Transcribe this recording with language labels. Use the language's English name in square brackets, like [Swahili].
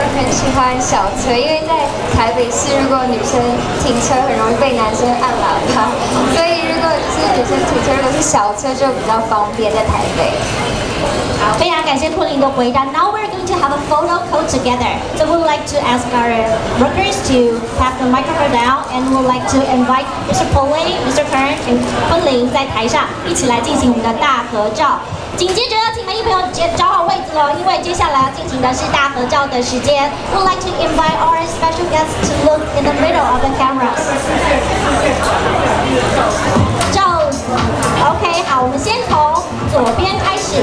[Chinese] 喜欢小车，因为在台北市，如果女生停车很容易被男生按喇叭，所以如果是女生停车，如果是小车就比较方便在台北。好，非常感谢昆凌的回答。 [English] Now we're going to have a photo call together. So we'd like to ask our workers to pass the microphone down, and we'd like to invite Mr. [Chinese] Pauline, Mr. Kern, and 昆凌在台上一起来进行我们的大合照。紧接着要请媒体朋友找好位置了，因为接下来要进行的是大合照的时间。 [English] We'd like to invite our special guests to look in the middle of the cameras. [Chinese] OK, 好，我们先从左边开始。